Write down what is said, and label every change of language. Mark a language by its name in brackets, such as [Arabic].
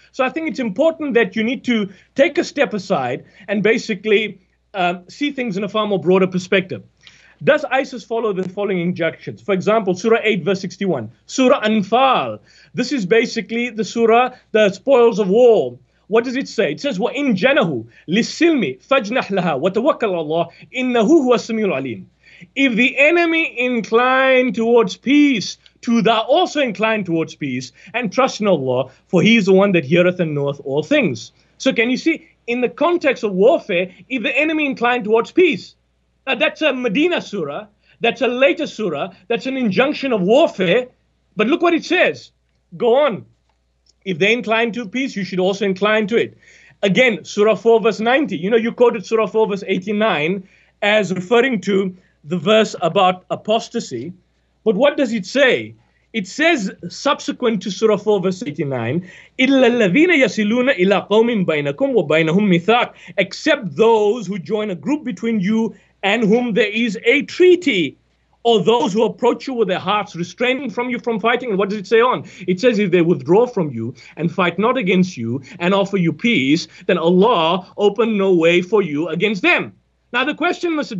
[English] So I think it's important that you need to take a step aside and basically see things in a far more broader perspective. Does ISIS follow the following injunctions? For example, Surah 8, verse 61. Surah Anfal. This is basically the surah, the spoils of war. What does it say? It says, [Arabic] وَإِنْ جَنَهُ لِسِّلْمِ فَجْنَحْ لَهَا وَتَوَكَّلَ اللَّهِ إِنَّهُ هُوَ السَّمِيعُ الْعَلِيمُ. [English] If the enemy incline towards peace, to thou also incline towards peace, and trust in Allah, for he is the one that heareth and knoweth all things. So can you see, in the context of warfare, if the enemy incline towards peace, now that's a Medina surah, that's a later surah, that's an injunction of warfare, but look what it says. Go on. If they incline to peace, you should also incline to it. Again, Surah 4, verse 90. You know, you quoted Surah 4, verse 89 as referring to the verse about apostasy. But what does it say? It says, subsequent to Surah 4, verse 89, [Arabic] إِلَّا الَّذِينَ يَسِلُونَ إِلَىٰ قَوْمٍ بَيْنَكُمْ وَبَيْنَهُمْ مِثَاقٍ. [English] Except those who join a group between you and whom there is a treaty. Or those who approach you with their hearts restraining from you from fighting. And what does it say on? It says, if they withdraw from you and fight not against you and offer you peace, then Allah open no way for you against them. Now the question, Mr.